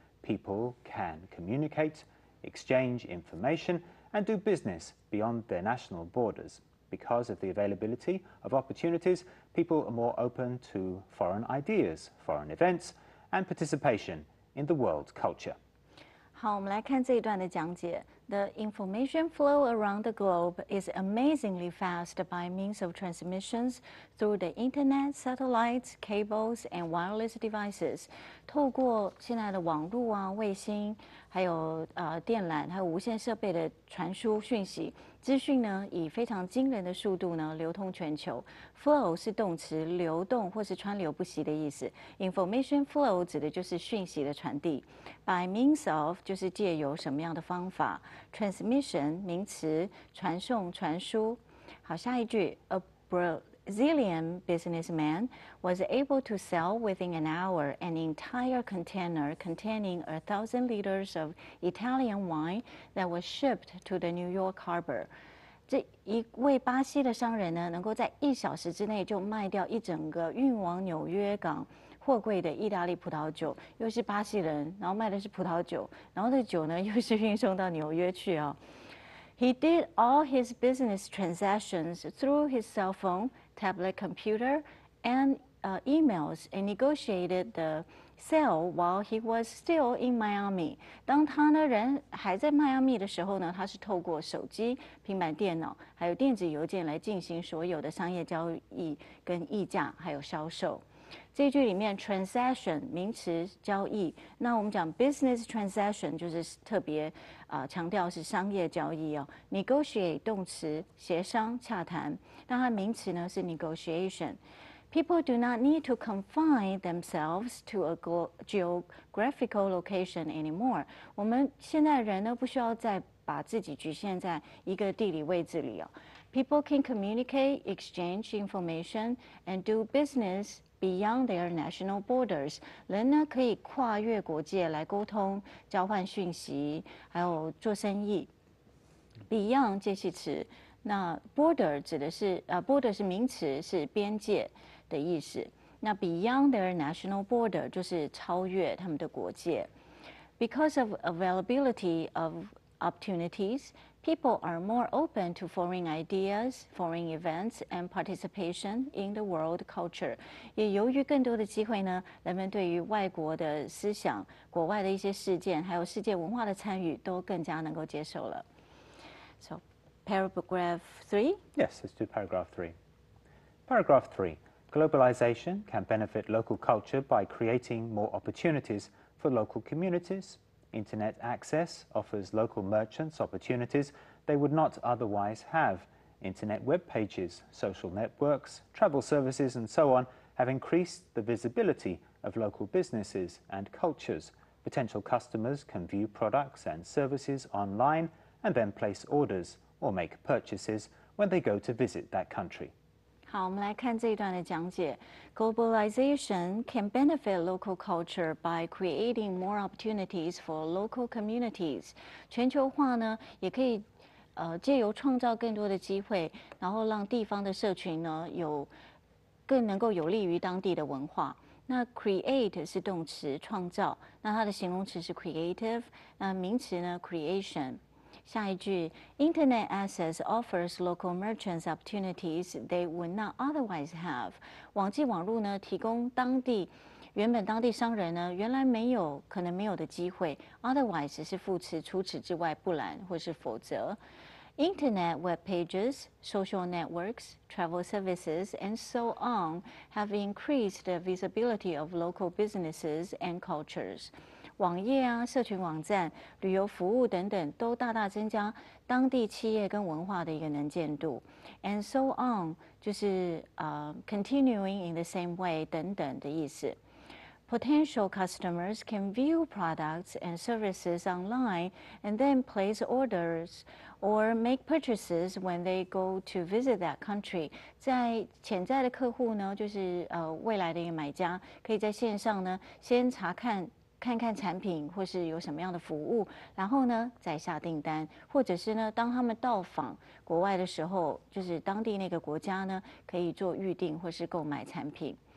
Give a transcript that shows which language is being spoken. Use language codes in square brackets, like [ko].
[en] People can communicate, exchange information, and do business beyond their national borders. Because of the availability of opportunities, people are more open to foreign ideas, foreign events, and participation in the world culture. [zh] 好，我们来看这一段的讲解。 [en] The information flow around the globe is amazingly fast by means of transmissions through the internet, satellites, cables, and wireless devices. [zh] 透过现在的网络啊、卫星，还有电缆，还有无线设备的传输讯息，资讯呢以非常惊人的速度呢流通全球。 Flow 是动词，流动或是川流不息的意思。 Information flow 指的就是讯息的传递。 [en] By means of [zh] 就是借由什么样的方法。 Transmission 名词，传送、传输。好，下一句 [en] ，A Brazilian businessman was able to sell within an hour an entire container containing 1,000 liters of Italian wine that was shipped to the New York Harbor. [zh] 这一位巴西的商人呢，能够在一小时之内就卖掉一整个运往纽约港。货柜的意大利葡萄酒，又是巴西人，然后卖的是葡萄酒，然后这酒呢又是运送到纽约去啊。 [en] He did all his business transactions through his cell phone, tablet computer, and emails, and negotiated the sale while he was still in Miami. [zh] 当他呢人还在迈阿密的时候呢，他是透过手机、平板电脑还有电子邮件来进行所有的商业交易跟议价还有销售。这句里面 transaction 名词交易，那我们讲 business transaction 就是特别强调是商业交易哦。 negotiate 动词协商洽谈，那它名词呢是 negotiation。 [en] People do not need to confine themselves to a geographical location anymore。 [zh] 我们现在人呢不需要再把自己局限在一个地理位置里哦。 [en] People can communicate, exchange information, and do business. Beyond their national borders, [zh] 人呢可以跨越国界来沟通、交换讯息，还有做生意。 Beyond 介系词，那 border 指的是border 是名词，是边界的意思。那 [en] beyond their national border [zh] 就是超越他们的国界。 [en] Because of availability of opportunities. People are more open to foreign ideas, foreign events, and participation in the world culture. [zh] 也由于更多的机会呢，人们对于外国的思想、国外的一些事件，还有世界文化的参与，都更加能够接受了。 [en] So, paragraph three? Yes, let's do paragraph three. Paragraph three. Globalization can benefit local culture by creating more opportunities for local communities. Internet access offers local merchants opportunities they would not otherwise have. Internet web pages, social networks, travel services, and so on have increased the visibility of local businesses and cultures. Potential customers can view products and services online and then place orders or make purchases when they go to visit that country. [zh] 好，我们来看这一段的讲解。 [en] Globalization can benefit local culture by creating more opportunities for local communities. [zh] 全球化呢，也可以借由创造更多的机会，然后让地方的社群呢有更能够有利于当地的文化。那 create 是动词，创造。那它的形容词是 creative。那名词呢 ，creation。下一句 [en] ，Internet access offers local merchants opportunities they would not otherwise have。 [zh] 网际网络呢，提供当地原本当地商人呢，原来没有可能没有的机会。 Otherwise 是副词，除此之外，不然或是否则。 [en] Internet, web pages, social networks, travel services, and so on have increased the visibility of local businesses and cultures. [zh] 网页啊，社群网站、旅游服务等等，都大大增加当地企业跟文化的一个能见度。 [en] And so on, [zh] 就是 [en] continuing in the same way [zh] 等等的意思。 [en] Potential customers can view products and services online and then place orders or make purchases when they go to visit that country. [zh] 在潜在的客户呢，就是未来的一个买家，可以在线上呢先查看看看产品或是有什么样的服务，然后呢再下订单，或者是呢当他们到访国外的时候，就是当地那个国家呢可以做预订或是购买产品。